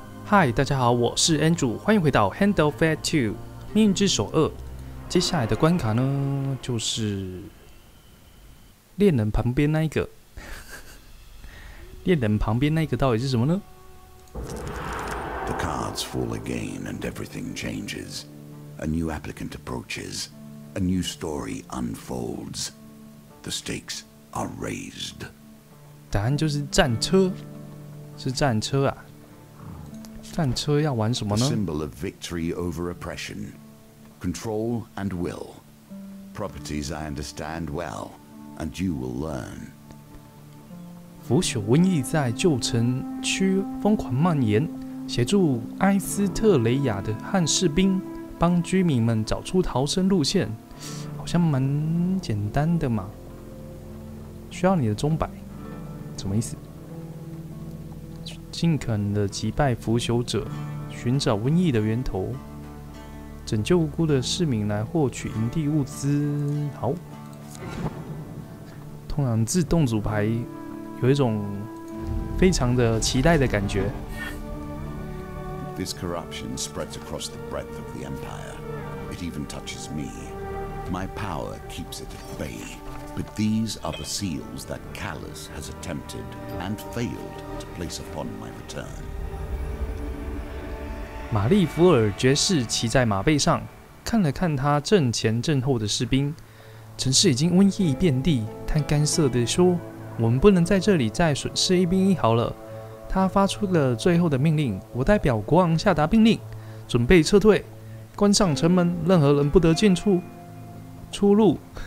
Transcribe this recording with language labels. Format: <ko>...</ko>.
<zh>嗨，大家好，我是 Andrew， 欢迎回到 Handle Fat 2命运之手二。接下来的关卡呢，就是恋人旁边那一个。恋人旁边那一个到底是什么呢</zh> <en>？The cards fall again, and everything changes. A new applicant approaches. A new story unfolds. The stakes are raised.</en> <zh>答案就是战车，是战车啊。战车要玩什么呢</zh> <en>？The symbol of victory over oppression, control and will. Properties I understand well, and you will learn.</en> <zh>腐朽瘟疫在旧城区疯狂蔓延，协助埃斯特雷亚的汉士兵帮居民们找出逃生路线，好像蛮简单的嘛。需要你的钟摆，什么意思？尽可能的击败腐朽者，寻找瘟疫的源头，拯救无辜的市民来获取营地物资。好，通常自动组牌有一种非常的期待的感觉。</zh> <en>This corruption spreads across the breadth of the empire. It even touches me. My power keeps it at bay. But these are the seals that Kallus has attempted and failed to place upon my return.</en> <zh>玛丽福尔爵士骑在马背上，看了看他阵前阵后的士兵。城市已经瘟疫遍地，他干涩地说：“我们不能在这里再损失一兵一毫了。” 他发出了最后的命令：“我代表国王下达命令，准备撤退，关上城门，任何人不得进出出入。”</zh>